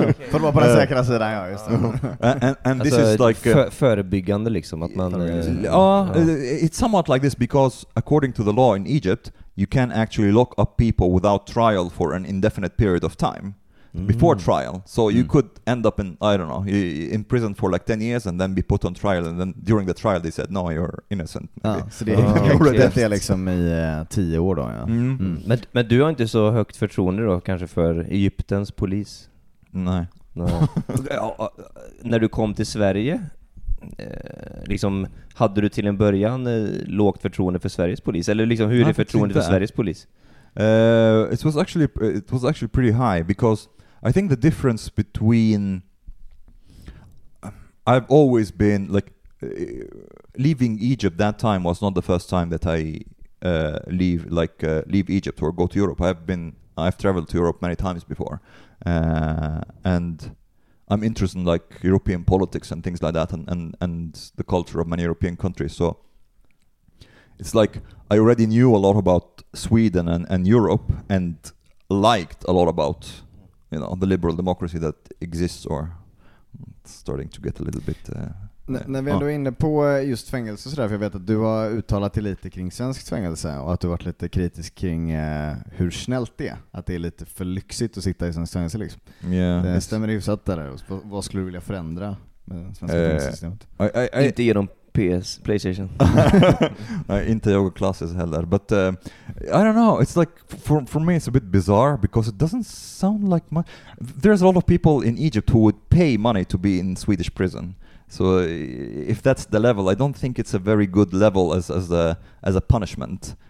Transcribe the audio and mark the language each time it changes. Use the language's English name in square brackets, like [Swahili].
[Swedish] För att vara på den säkra sidan, ja, just det. [English] And this is like [Swedish] förebyggande, liksom att man. [English] It's somewhat like this because according to the law in Egypt, you can actually lock up people without trial for an indefinite period of time before trial. So you could end up in, I don't know, in prison for like 10 years and then be put on trial. And then during the trial they said, no, you're innocent. [Swedish] Så det är liksom i 10 år då, ja. Men du har inte så högt förtroende då kanske för Egyptens polis? Nej. När du kom till Sverige, liksom, hade du till en början lågt förtroende för Sveriges polis, eller liksom, hur är förtroendet för Sveriges polis? [English] It was actually pretty high, because I think the difference between I've always been like leaving Egypt, that time was not the first time that I leave Egypt or go to Europe. I've traveled to Europe many times before, and I'm interested in like European politics and things like that, and the culture of many European countries. So it's like I already knew a lot about Sweden and Europe, and liked a lot about, you know, the liberal democracy that exists, or starting to get a little bit. [Swedish] När vi ändå är inne på just fängelse så där, för jag vet att du har uttalat dig lite kring svensk fängelse och att du varit lite kritisk kring hur snällt det är, att det är lite för lyxigt att sitta i svensk fängelse liksom. [English] Yeah, [Swedish] det stämmer hyfsat där. Vad skulle du vilja förändra med svensk fängelsesystemet? Inte genom PS, PlayStation. Inte yoga classes heller, [English] but I don't know, it's like for me it's a bit bizarre because it doesn't sound like much. There's a lot of people in Egypt who would pay money to be in Swedish prison. So if that's the level, I don't think it's a very good level as a punishment.